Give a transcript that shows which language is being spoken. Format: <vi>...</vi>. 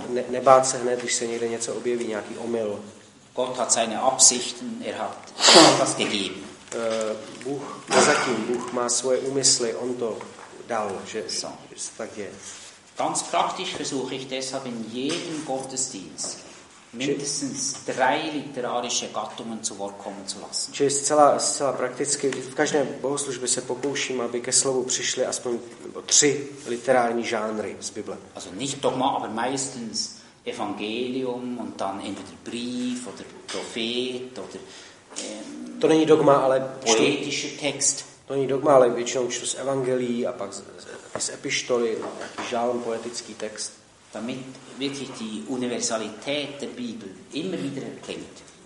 <cs>Nebát se hned, když se někde něco objeví, nějaký omyl.</cs> <de>Gott hat seine Absichten, er hat etwas gegeben.</de> <cs>Bůh má svoje úmysly, on to dal, že so. Tak je.</cs> <de>Ganz praktisch versuche ich deshalb in jedem Gottesdienst mindestens 3 literarische Gattungen zu Wort kommen zu lassen.</de> <cs>Čili zcela prakticky v každé bohoslužbě se pokouším, aby ke slovu přišly aspoň 3 literární žánry z Bible.</cs> <de>Also nicht dogma, aber meistens Evangelium und dann entweder Brief oder Prophet oder</de> <cs>to není dogma, ale</cs> <de>poetischer Text.</de> <cs>To není dogma, ale většinou čtu z Evangelií a pak z epištoly, nějaký žálm, poetický text.</cs> <de>Damit wirklich die Universalität der Bibel immer wieder erkennt.</de>